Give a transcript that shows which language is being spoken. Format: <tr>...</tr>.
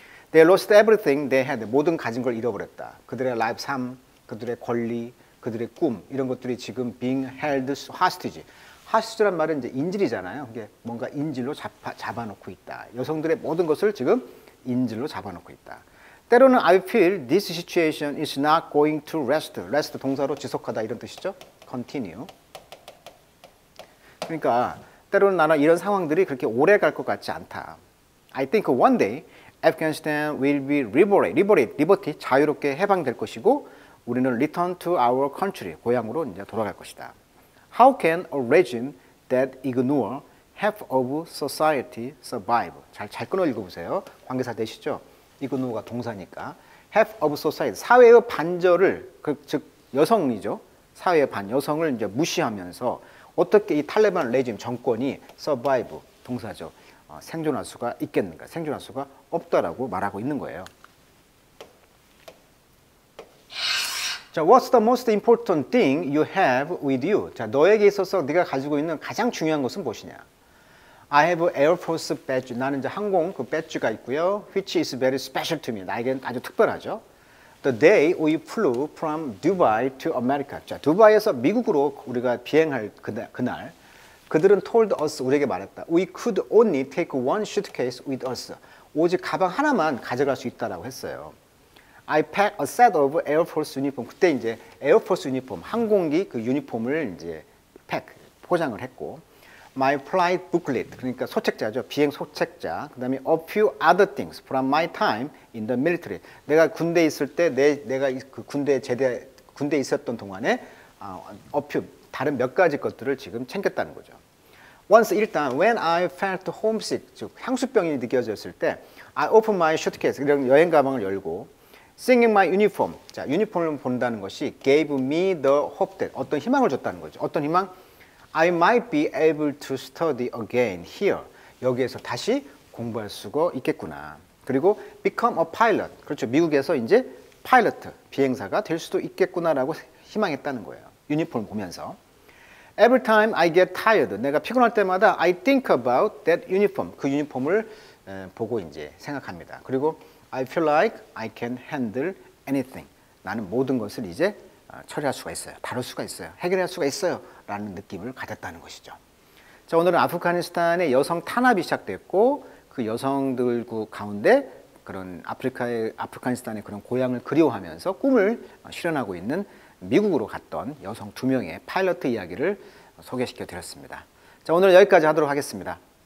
<en>They lost everything they had,</en> <ko>모든 가진 걸 잃어버렸다. 그들의 life, 삶, 그들의 권리, 그들의 꿈, 이런 것들이 지금</ko> <en>being held hostage.</en> <ko>하수주란 말은 이제 인질이잖아요. 그게 뭔가 인질로 잡아놓고 있다. 여성들의 모든 것을 지금 인질로 잡아놓고 있다. 때로는</ko> <en>I feel this situation is not going to rest.</en> <ko>Rest 동사로 지속하다 이런 뜻이죠. Continue. 그러니까 때로는 나는 이런 상황들이 그렇게 오래 갈 것 같지 않다.</ko> <en>I think one day Afghanistan will be liberated. Liberate, liberty,</en> <ko>자유롭게 해방될 것이고 우리는</ko> <en>return to our country,</en> <ko>고향으로 이제 돌아갈 것이다.</ko> <en>How can a regime that ignore half of society survive?</en> <ko>잘 끊어 읽어보세요. 관계사 되시죠? ignore가 동사니까.</ko> <en>Half of society,</en> <ko>사회의 반절을, 즉 여성이죠. 사회의 반, 여성을 이제 무시하면서 어떻게 이 탈레반 레짐 정권이 survive, 동사죠. 생존할 수가 있겠는가, 생존할 수가 없다라고 말하고 있는 거예요.</ko> <en>자, what's the most important thing you have with you?</en> <ko>자, 너에게 있어서 네가 가지고 있는 가장 중요한 것은 무엇이냐?</ko> <en>I have an Air Force badge.</en> <ko>나는 이제 항공 그 배지가 있고요.</ko> <en>Which is very special to me.</en> <ko>나에게 아주 특별하죠.</ko> <en>The day we flew from Dubai to America.</en> <ko>자, 두바이에서 미국으로 우리가 비행할 그날 그들은</ko> <en>told us,</en> <ko>우리에게 말했다.</ko> <en>We could only take one suitcase with us.</en> <ko>오직 가방 하나만 가져갈 수 있다라고 했어요.</ko> <en>I packed a set of Air Force uniform.</en> <ko>그때 이제</ko> <en>Air Force uniform,</en> <ko>항공기 그 유니폼을 이제 포장을 했고.</ko> <en>My flight booklet,</en> <ko>그러니까 소책자죠. 비행 소책자. 그 다음에</ko> <en>a few other things from my time in the military.</en> <ko>내가 군대에 있을 때, 내가 그 군대에 있었던 동안에 다른 몇 가지 것들을 지금 챙겼다는 거죠. Once, 일단,</ko> <en>when I felt homesick,</en> <ko>즉, 향수병이 느껴졌을 때,</ko> <en>I opened my suitcase,</en> <ko>이런 여행 가방을 열고,</ko> <en>seeing my uniform,</en> <ko>자, 유니폼을 본다는 것이</ko> <en>gave me the hope that,</en> <ko>어떤 희망을 줬다는 거죠. 어떤 희망?</ko> <en>I might be able to study again here.</en> <ko>여기에서 다시 공부할 수가 있겠구나.</ko> <en>그리고 become a pilot. 그렇죠.</en> <ko>미국에서 이제 pilot, 비행사가 될 수도 있겠구나라고 희망했다는 거예요. 유니폼 보면서.</ko> <en>Every time I get tired,</en> <ko>내가 피곤할 때마다</ko> <en>I think about that uniform.</en> <ko>그 유니폼을 보고 이제 생각합니다.</ko> <en>그리고 I feel like I can handle anything.</en> <ko>나는 모든 것을 이제 처리할 수가 있어요. 다룰 수가 있어요. 해결할 수가 있어요. 라는 느낌을 가졌다는 것이죠. 자, 오늘은 아프가니스탄의 여성 탄압이 시작됐고 그 여성들 그 가운데 그런 아프가니스탄의 그런 고향을 그리워하면서 꿈을 실현하고 있는 미국으로 갔던 여성 두 명의 파일럿 이야기를 소개시켜 드렸습니다. 자, 오늘 여기까지 하도록 하겠습니다.</ko>